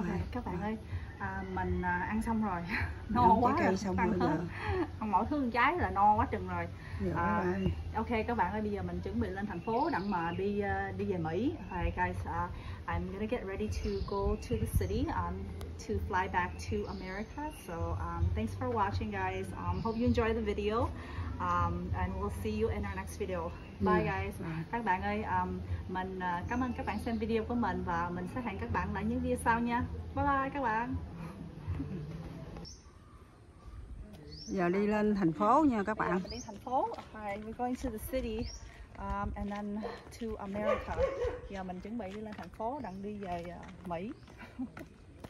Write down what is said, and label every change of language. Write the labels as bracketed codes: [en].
[vi] Các bạn ơi, mình ăn xong rồi. No quá rồi. Còn mỗi thứ trái là no quá chừng rồi. Dạ, ok các bạn ơi, bây giờ mình chuẩn bị lên thành phố đặng mà đi đi về Mỹ. [en] Hi guys, I'm gonna get ready to go to the city to fly back to America. So thanks for watching guys. Hope you enjoy the video. And we'll see you in our next video. Bye guys. [vi] Các bạn ơi, mình cảm ơn các bạn xem video của mình và mình sẽ hẹn các bạn lại những video sau nha. Bye bye các bạn. Giờ đi lên thành phố nha các bạn. Đi thành phố. [en] Hi, we're going to the city and then to America. [vi] Giờ mình chuẩn bị đi lên thành phố đặng đi về Mỹ.